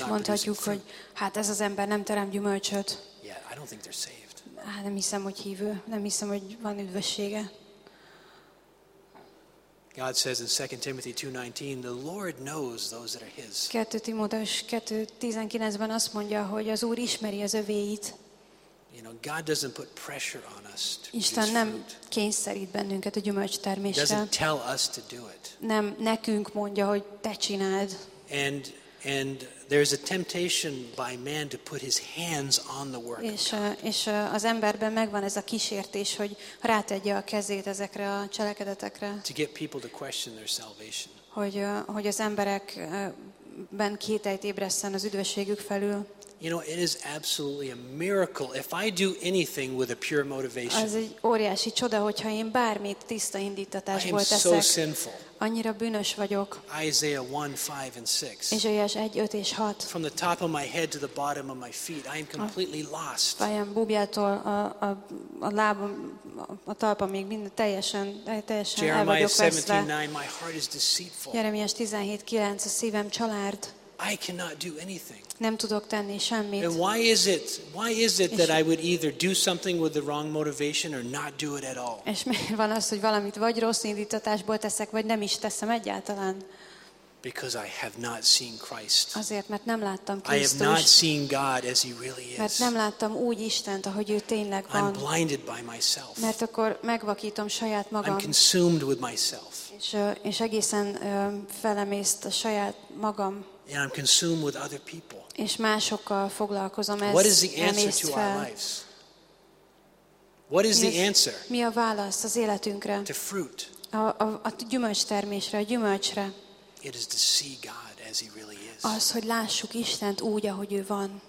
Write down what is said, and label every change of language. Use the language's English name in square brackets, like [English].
[Hungarian] És mondhatjuk, hogy hát ez az ember nem terem gyümölcsöt. [English] Yeah, I don't think they're saved. [Hungarian] Hát nem hiszem, hogy hívő. Nem hiszem, hogy van üdvössége. [English] God says in 2 Timothy 2:19, the Lord knows those that are his. [Hungarian] 2 Timóteus 2:19-ben azt mondja, hogy az Úr ismeri az övéit. [English] You know, God doesn't put pressure on us to produce fruit. [Hungarian] Isten nem kényszerít bennünket a gyümölcs termésre. [English] He doesn't tell us to do it. [Hungarian] Nem nekünk mondja, hogy te csináld. [English] And there's a temptation by man to put his hands on the work. [Hungarian] És az emberben megvan ez a kísértés, hogy rátegye a kezét ezekre a cselekedetekre. [English] To get people to question their salvation. [Hungarian] Hogy az emberekben kételyt ébresszen az üdvösségük felül. [English] You know, it is absolutely a miracle if I do anything with a pure motivation. [Hungarian] Az egy óriási csoda, hogyha én bármit tiszta indítatásból teszek. [English] I am so sinful. [Hungarian] Annyira bűnös vagyok. [English] Isaiah 1:5 and 6. [Hungarian] Ézsaiás 1:5 és 6. [English] From the top of my head to the bottom of my feet, I am completely lost. [Hungarian] Fejem bubjától a lábam a talpamig minden teljesen el vagyok veszve. [English] Jeremiah 17:9, my heart is deceitful. [Hungarian] Jeremiás 17:9, a szívem csalárd. [English] I cannot do anything. [Hungarian] Nem tudok tenni semmit. [English] And why is it that I would either do something with the wrong motivation or not do it at all? [Hungarian] És miért van az, hogy valamit vagy rossz indítatásból teszek, vagy nem is teszem egyáltalán? [English] Because I have not seen Christ. [Hungarian] Azért, mert nem láttam Krisztust. [English] I have not seen God as he really is. [Hungarian] Mert nem láttam úgy Istent, ahogy ő tényleg van. [English] I'm blinded by myself. [Hungarian] Mert akkor megvakítom saját magam. [English] I'm consumed with myself. [Hungarian] És egészen felemészt a saját magam. [English] And I'm consumed with other people. [Hungarian] És másokkal foglalkozom, ez [English] what is the answer to our lives? What is the answer? [Hungarian] Mi a válasz az életünkre? [English] To fruit. [Hungarian] A gyümölcs termésre, a gyümölcsre. [English] It is to see God as he really is. [Hungarian] Az, hogy lássuk Istent úgy, ahogy ő van.